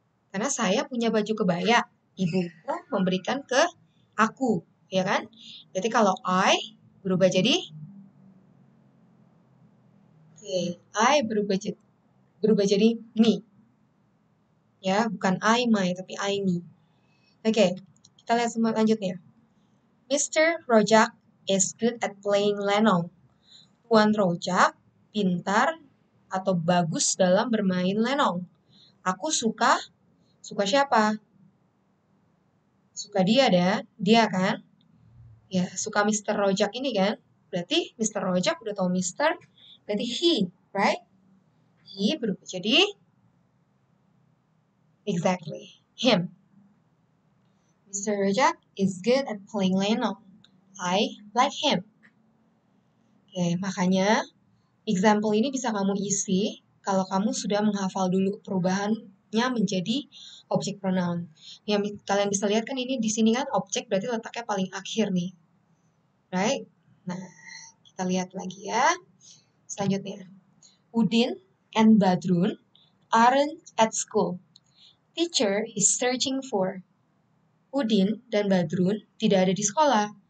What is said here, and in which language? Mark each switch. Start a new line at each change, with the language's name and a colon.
Indonesian: Karena saya punya baju kebaya. Ibuku memberikan ke aku, ya kan? Jadi kalau I berubah jadi I berubah jadi me. Ya, bukan I, my, tapi I, me. Oke, kita lihat semua lanjutnya.
English: Mr. Rojak is good at playing lenong.
Indonesian: Tuan Rojak pintar atau bagus dalam bermain lenong. Aku suka. Suka siapa? Suka dia, dan dia kan? Ya, suka Mr. Rojak ini kan? Berarti Mr. Rojak udah tahu Mr. Berarti
English: he, right? He
Indonesian: berubah jadi
English: exactly, him.
Indonesian: Mr.
English: Rojak is good at playing lenong. I like him.
Indonesian: Oke, okay, makanya example ini bisa kamu isi kalau kamu sudah menghafal dulu perubahannya menjadi object pronoun. Yang kalian bisa lihat kan ini di sini kan object berarti letaknya paling akhir nih.
English: Right?
Indonesian: Nah, kita lihat lagi ya. Selanjutnya,
English: Udin and Badrun aren't at school. Teacher is searching for.
Indonesian: Udin dan Badrun tidak ada di sekolah.